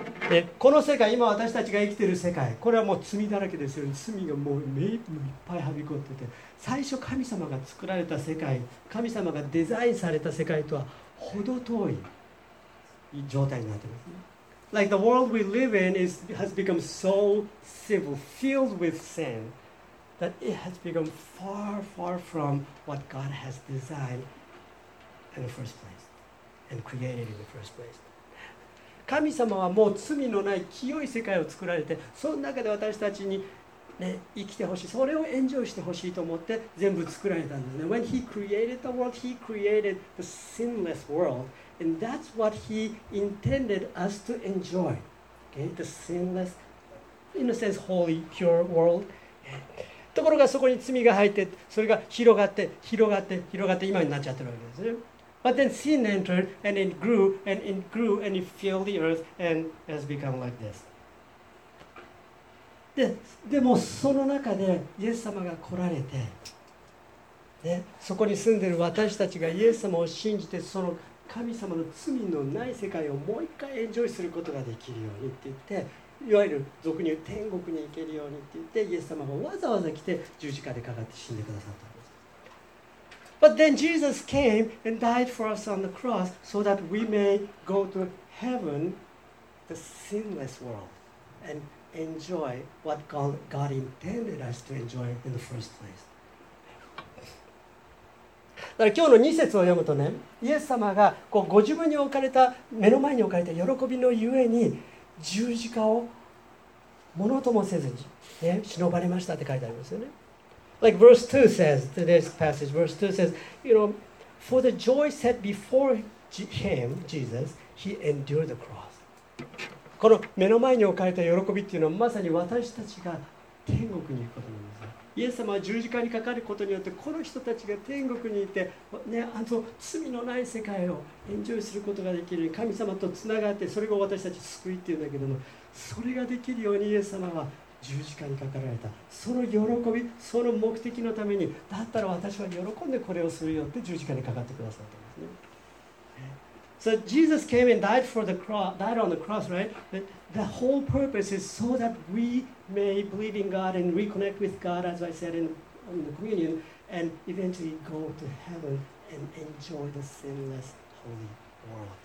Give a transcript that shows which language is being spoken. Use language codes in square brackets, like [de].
[ja] で、この世界、今私たちが生きている世界、これはもう罪だらけですよね。罪がもう目いっぱいはびこってて、最初神様が作られた世界、神様がデザインされた世界とは程遠い状態になってますね。 [en] Like the world we live in is, has become so civil, filled with sin, that it has become far, far from what God has designed. In the first place, and created in the first place. [ja] 神様はもう罪のない清い世界を作られて、その中で私たちにね、生きてほしい、それをエンジョイしてほしいと思って全部作られたんですね。 [en] When he created the world, he created the sinless world. And that's what he intended us to enjoy. Okay? The sinless, in a sense, holy, pure world. [ja] ところがそこに罪が入って、それが広がって、広がって、広がって、今になっちゃってるわけですね。 [en] But then sin entered, and it grew, and it grew, and it filled the earth, and has become like this. [ja] でもその中でイエス様が来られて、ね、そこに住んでる私たちがイエス様を信じて、その神様の罪のない世界をもう一回エンジョイすることができるようにって言って、いわゆる俗に言う天国に行けるようにって言って、イエス様がわざわざ来て十字架でかかって死んでくださった。 [en] But then Jesus came and died for us on the cross so that we may go to heaven, the sinless world, and enjoy what God intended us to enjoy in the first place. [ja] だから今日の2節を読むとね、イエス様がこうご自分に置かれた、目の前に置かれた喜びのゆえに十字架をものともせずに、ね、忍ばれましたって書いてありますよね。 [en] Like verse 2 says, today's passage, verse 2 says, you know, for the joy set before him, Jesus, he endured the cross. [ja] この目の前に置かれた喜びっていうのはまさに私たちが天国に行くことなんです。イエス様は十字架にかかることによってこの人たちが天国にいて、ね、あの罪のない世界をエンジョイすることができる、神様とつながって、それが私たち救いっていうんだけども、それができるようにイエス様は十字架にかかられた、その喜び、その目的のために、だったら私は喜んでこれをするよって十字架にかかってくださったんですね。 [en] So Jesus came and died for the cross, died on the cross, right? The whole purpose is so that we may believe in God and reconnect with God, as I said in the communion, and eventually go to heaven and enjoy the sinless holy world.